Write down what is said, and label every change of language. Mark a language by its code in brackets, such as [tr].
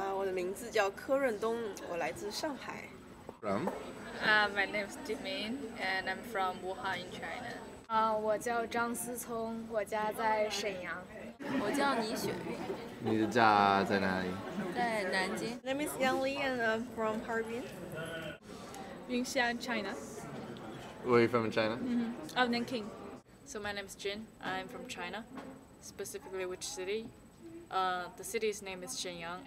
[zh] 我的名字叫柯润东, 我来自上海. [en] From? My name's Jimin, and I'm from Wuhan in China. [zh] 我叫张思聪, 我家在沈阳. 我叫倪雪韵. 你的家在哪里? 在南京. [en] My name is Yang Li, and I'm from Harbin. Yunxian, China. Where are you from in China? Mm-hmm. I'm Nanking. So my name is Jin. I'm from China. Specifically, which city? The city's name is Shenyang.